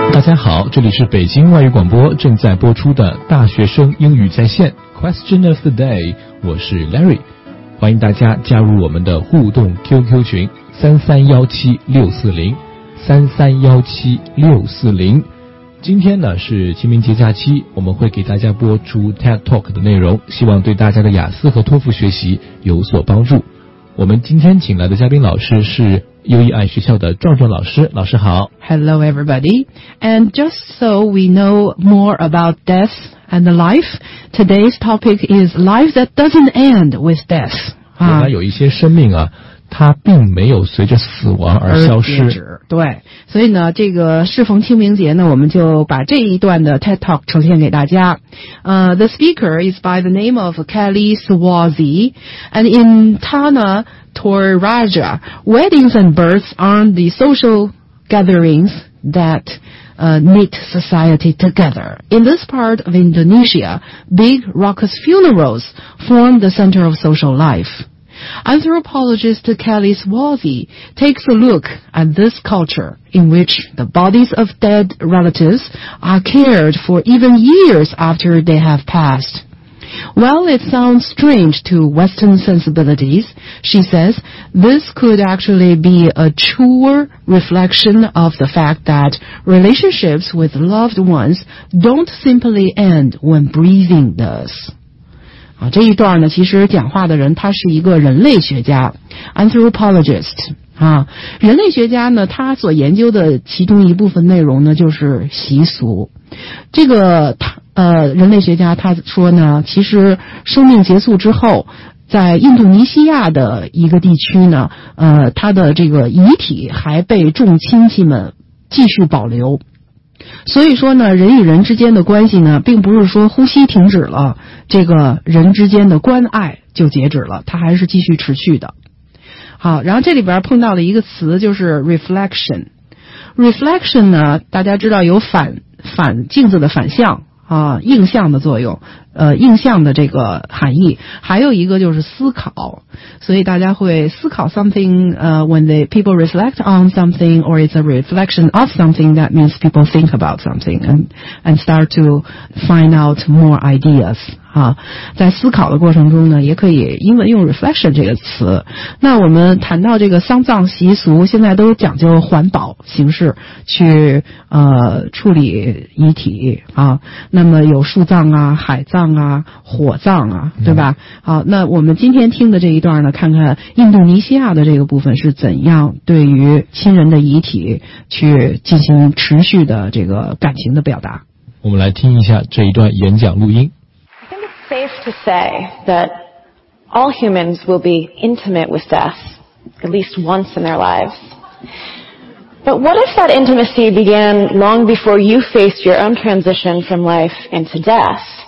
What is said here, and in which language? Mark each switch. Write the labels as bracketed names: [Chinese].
[Chinese] 家好，这里是北京外语广播正在播出的大学生英语在线 Question of the Day， 我是 Larry， 欢迎大家加入我们的互动 QQ 群3317640 3317640。今天呢是清明节假期，我们会给大家播出 TED Talk 的内容，希望对大家的雅思和托福学习有所帮助。我们今天请来的嘉宾老师是UEI 学校的壮壮老师，老师好。 [English] Hello everybody. And just so we know more about death and life, today's topic is life that doesn't end with death. [Chinese] 原来有一些生命啊它并没有随着死亡而消失。对，所以呢这个适逢清明节呢，我们就把这一段的 TED Talk 呈现给大家。 [English] The speaker is by the name of Kelly Swazi, and in Tana Toraja, weddings and births are the social gatherings that knit society together. In this part of Indonesia, big raucous funerals form the center of social life. Anthropologist Kelly Swazi takes a look at this culture in which the bodies of dead relatives are cared for even years after they have passed. While it sounds strange to Western sensibilities, she says, this could actually be a truer reflection of the fact that relationships with loved ones don't simply end when breathing does. [Chinese] 啊、这一段呢其实讲话的人他是一个人类学家 Anthropologist、人类学家呢他所研究的其中一部分内容呢就是习俗，这个人类学家他说呢，其实生命结束之后在印度尼西亚的一个地区呢他的这个遗体还被众亲戚们继续保留，所以说呢人与人之间的关系呢并不是说呼吸停止了这个人之间的关爱就截止了，它还是继续持续的。好，然后这里边碰到了一个词就是 reflection。 reflection 呢大家知道有反镜子的反向啊，映像的作用，映像的这个含义，还有一个就是思考，所以大家会思考 [English] something, when the people reflect on something, or it's a reflection of something, that means people think about something, and start to find out more ideas, [Chinese] 啊。在思考的过程中呢，也可以英文用 reflection 这个词。那我们谈到这个丧葬习俗，现在都讲究环保形式去处理遗体啊，那么有树葬啊，海葬啊，火葬啊，对吧？好，那我们今天听的这一段呢，看看印度尼西亚的这个部分是怎样对于亲人的遗体去进行持续的这个感情的表达。我们来听一下这一段演讲录音。 [English] I think it's safe to say that all humans will be intimate with death at least once in their lives. But what if that intimacy began long before you faced your own transition from life into death?